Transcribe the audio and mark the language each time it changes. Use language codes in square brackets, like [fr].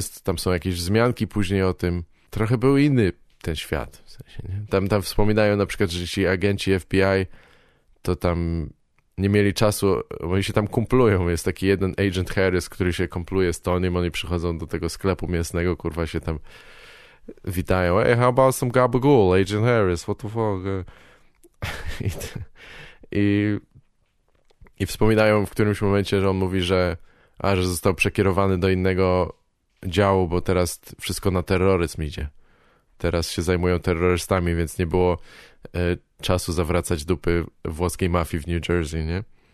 [pl] Tam są jakieś wzmianki później o tym. Trochę był inny ten świat, w sensie, nie? Tam wspominają na przykład, że ci agenci FBI to tam nie mieli czasu, bo oni się tam kumplują. Jest taki jeden agent Harris, który się kumpluje z Tonym, oni przychodzą do tego sklepu mięsnego, kurwa, się tam witają. [en] Hey, how about some gabagool, agent Harris, what the fuck? [pl] I wspominają w którymś momencie, że on mówi, że został przekierowany do innego działu, bo teraz wszystko na terroryzm idzie. Teraz się zajmują terrorystami, więc nie było czasu zawracać dupy włoskiej mafii w New Jersey, nie?